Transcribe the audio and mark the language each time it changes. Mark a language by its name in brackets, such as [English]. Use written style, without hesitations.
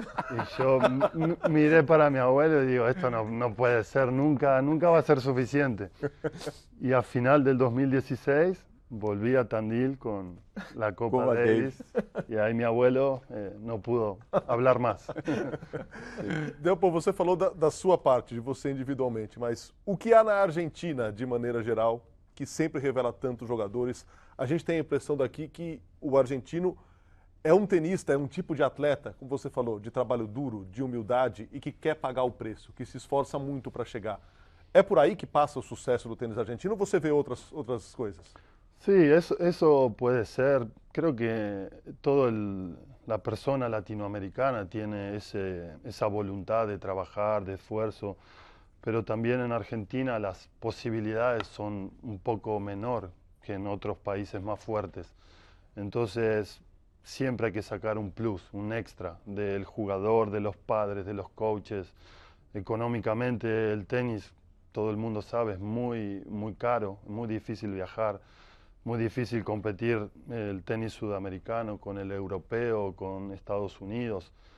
[Spanish] Y yo miré para mi abuelo y digo, esto no puede ser, nunca va a ser suficiente. Y al final del 2016 volví a Tandil con la Copa Davis, y ahí mi abuelo no pudo hablar más. [Portuguese] Delpo, você falou da sua parte, de você individualmente, mas o que há na Argentina, de maneira geral, que sempre revela tantos jogadores? A gente tem a impressão daqui que o argentino é um tenista, é um tipo de atleta, como você falou, de trabalho duro, de humildade e que quer pagar o preço, que se esforça muito para chegar. É por aí que passa o sucesso do tênis argentino ou você vê outras coisas? Sim, isso pode ser. [Spanish] Creo [Portuguese] que toda a pessoa latino-americana tem essa vontade de trabalhar, de esforço. [Spanish] Pero también en Argentina las posibilidades son un poco menor que en otros países más fuertes. Entonces siempre hay que sacar un plus, un extra del jugador, de los padres, de los coaches. Económicamente el tenis, todo el mundo sabe, es muy, muy caro, muy difícil viajar, muy difícil competir el tenis sudamericano con el europeo, con Estados Unidos.